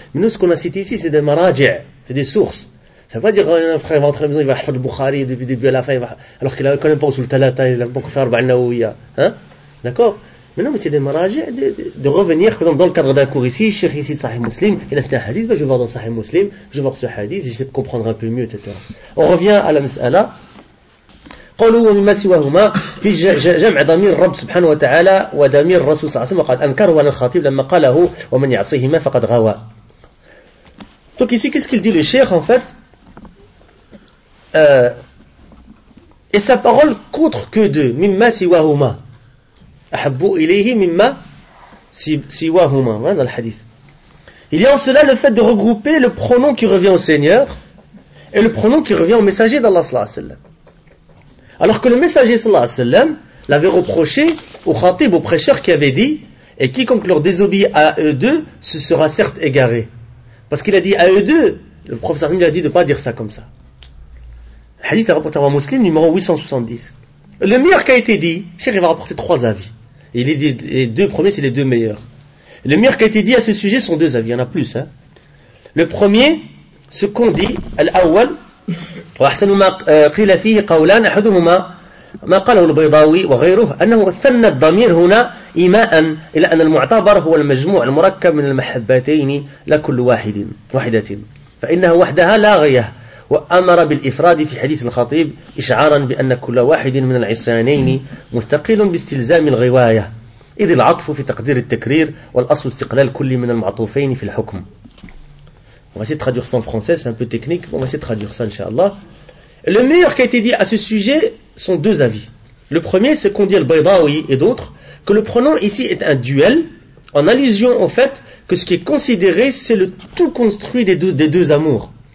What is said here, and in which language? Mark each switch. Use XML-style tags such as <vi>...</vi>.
<fr>Mais nous, ce qu'on a cité ici, c'est des maraji', c'est des sources. Ça ne veut pas dire qu'un frère va entrer à la maison, il va faire le Bukhari depuis le début à la fin, alors qu'il ne connaît pas le Sultalata, il a beaucoup fait Arba'al Nawawiya. D'accord? Mais non, mais c'est des maraji' de revenir, par exemple, dans le cadre d'un cours ici, Cheikh ici de Sahih Muslim, il a cité un hadith, ben, je vais voir dans Sahih Muslim, je vais voir ce hadith, j'essaie de comprendre un peu mieux, etc. On revient à la mis'ala.</fr> <ar>قالوا ومما سواهما في جمع ضمير الرب سبحانه وتعالى وضمير الرسول صلى الله عليه وسلم قد أنكره على الخطيب لما قاله ومن يعصيهما فقد غوى.</ar> <fr>Donc ici, qu'est-ce qu'il dit le Cheikh en fait? Et sa parole contre que deux,</fr> <ar>مما سواهما. أحب إليه مما سواهما.</ar> <fr>Voilà dans le hadith. Il y a en cela le fait de regrouper le pronom qui revient au Seigneur et le pronom qui revient au messager d'Allah sallallahu alayhi wa sallam. Alors que le messager sallallahu alayhi wa sallam l'avait reproché au khatib, au prêcheur qui avait dit « Et quiconque leur désobéit à eux deux se sera certes égaré. » Parce qu'il a dit à eux deux, le prophète sallallahu alayhi wa sallam a dit de ne pas dire ça comme ça. Hadith rapporté par Muslim numéro 870. Le meilleur qui a été dit, Cheikh va rapporter trois avis. Et les deux premiers, c'est les deux meilleurs. Le meilleur qui a été dit à ce sujet sont deux avis, il y en a plus. Le premier, ce qu'on dit, al-awwal,</fr> <ar>وأحسن ما قيل فيه قولان أحدهما ما قاله البيضاوي وغيره أنه ثنى الضمير هنا إيماء إلى أن المعتبر هو المجموع المركب من المحبتين لكل واحدة فإنها وحدها لاغية وأمر بالإفراد في حديث الخطيب إشعارا بأن كل واحد من العصيانين مستقل باستلزام الغواية إذ العطف في تقدير التكرير والأصل استقلال كل من المعطوفين في الحكم.</ar> <fr>On va essayer de traduire ça en français, c'est un peu technique. On va essayer de traduire ça, Inch'Allah. Le meilleur qui a été dit à ce sujet sont deux avis. Le premier, c'est qu'on dit al-Baydawi et d'autres, que le pronom ici est un duel, en allusion au fait que ce qui est considéré, c'est le tout construit des deux amours.</fr>